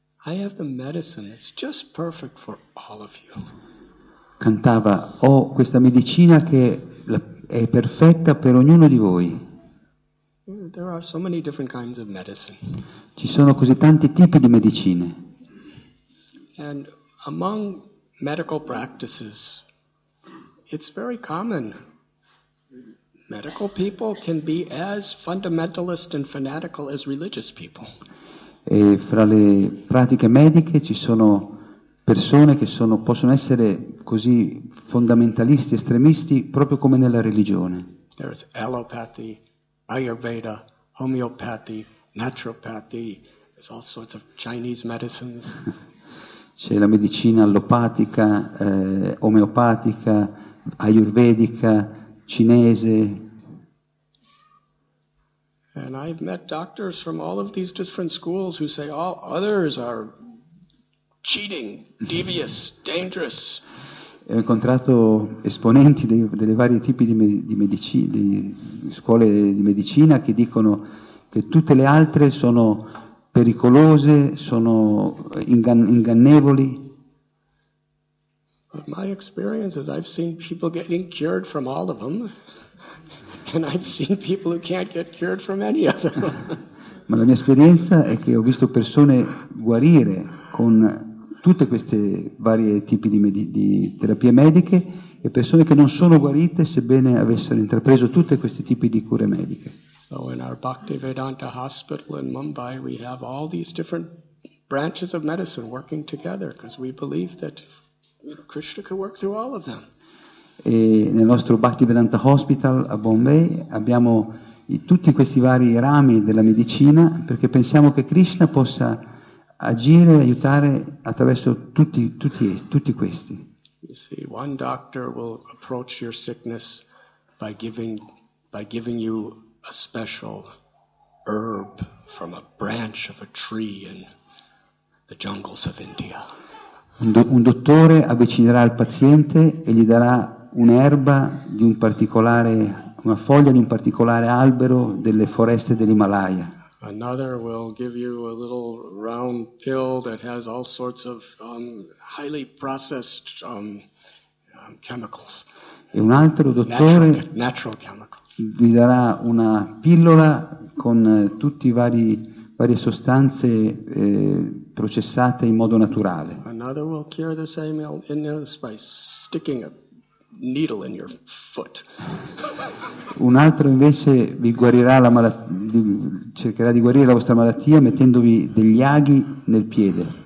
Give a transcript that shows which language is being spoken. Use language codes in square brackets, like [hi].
[en] I have the medicine that's just perfect for all of you. [it] Cantava, questa medicina che è perfetta per ognuno di voi. [en] There are so many different kinds of medicine. [it] Ci sono così tanti tipi di medicine. [en] And among medical practices, it's very common. Medical people can be as fundamentalist and fanatical as religious people. [it] E fra le pratiche mediche ci sono persone che possono essere così fondamentalisti, estremisti, proprio come nella religione. [en] There is allopathy, Ayurveda, homeopathy, naturopathy, there's all sorts of Chinese medicines. [it] C'è la medicina allopatica, omeopatica, ayurvedica, cinese. [en] And I've met doctors from all of these different schools who say all others are cheating, devious, dangerous. [it] Ho incontrato esponenti delle varie tipi di scuole di medicina che dicono che tutte le altre sono pericolose, sono ingannevoli. [en] But my experience is I've seen people getting cured from all of them, and I've seen people who can't get cured from any of them. [it] Ma la mia esperienza è che ho visto persone guarire con tutte queste varie tipi di terapie mediche e persone che non sono guarite sebbene avessero intrapreso tutti questi tipi di cure mediche. [en] So in our Bhaktivedanta hospital in Mumbai we have all these different branches of medicine working together because we believe that Krishna can work through all of them. [it] E nel nostro Bhaktivedanta Hospital a Bombay abbiamo tutti questi vari rami della medicina perché pensiamo che Krishna possa agire e aiutare attraverso tutti questi. [en] You see, one doctor will approach your sickness by giving you a special herb from a branch of a tree in the jungles of India. [it] Un dottore avvicinerà il paziente e gli darà un'erba di un particolare, una foglia di un particolare albero delle foreste dell'Himalaya. [en] Another will give you a little round pill that has all sorts of highly processed chemicals. [it] E un altro dottore [en] natural chemicals. [it] Vi darà una pillola con tutti i varie sostanze processate in modo naturale. [en] Another will cure the same illness by sticking a needle in your foot. [it] Un altro invece vi guarirà cercherà di guarire la vostra malattia mettendovi degli aghi nel piede.